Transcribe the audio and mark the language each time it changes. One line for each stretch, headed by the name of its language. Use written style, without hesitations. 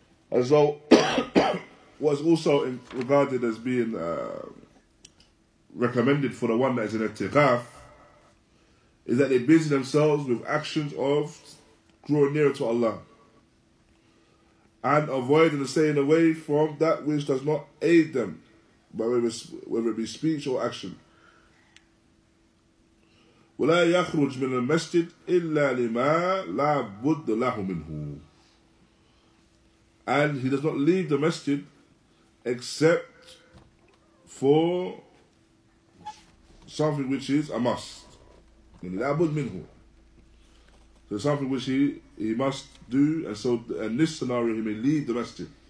English: And so what's also regarded as being recommended for the one that is in i'tikaf is that they busy themselves with actions of drawing nearer to Allah and avoiding the staying away from that which does not aid them, whether it be speech or action.
Arabic: ولا يخرج من المسجد إلا لما لا بد له منه.
English: And he does not leave the masjid except for something which is a must.
Arabic: لا بد منه.
English: So something which he must do, and so in this scenario he may leave the masjid.